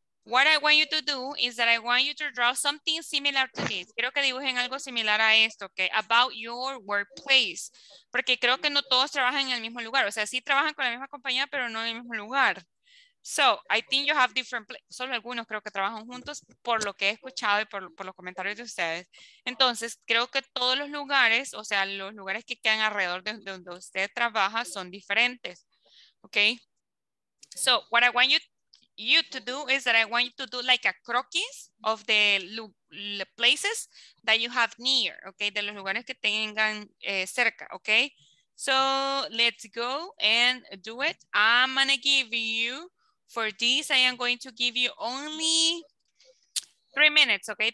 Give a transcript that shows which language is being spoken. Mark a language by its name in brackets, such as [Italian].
[English] What I want you to do is that I want you to draw something similar to this. [Spanish] Quiero que dibujen algo similar a esto, okay? [English] About your workplace. [Spanish] Porque creo que no todos trabajan en el mismo lugar. O sea, sí trabajan con la misma compañía, pero no en el mismo lugar. [English] So, I think you have different places. [Spanish] Solo algunos creo que trabajan juntos por lo que he escuchado y por los comentarios de ustedes. Entonces, creo que todos los lugares, o sea, los lugares que quedan alrededor de donde usted trabaja son diferentes. [English] Okay? So, what I want you to do is that I want you to do like a croquis of the places that you have near, okay? [Spanish] De los lugares que tengan cerca, okay? [English] So, let's go and do it. I'm gonna give you, for this, I am going to give you only 3 minutes, okay?